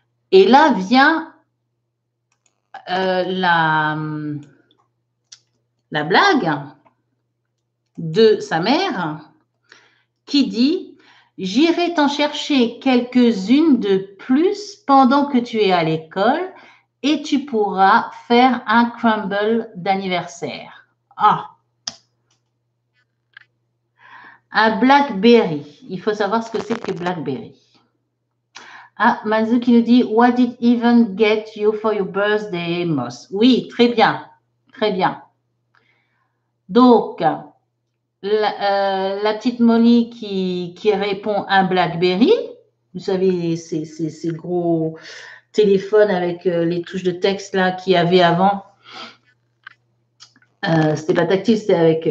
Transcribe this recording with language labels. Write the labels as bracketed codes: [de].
[fr] Et là vient la blague de sa mère qui dit: J'irai t'en chercher quelques-unes de plus pendant que tu es à l'école et tu pourras faire un crumble d'anniversaire. Ah! Un Blackberry. Il faut savoir ce que c'est que Blackberry. [en] Ah, Manzu [fr] qui nous dit, [en] What did even get you for your birthday, Moss? [fr] Oui, très bien, très bien. Donc, la petite Molly qui répond un BlackBerry, vous savez, ces gros téléphones avec les touches de texte là qu'il y avait avant, c'était pas tactile, c'était avec.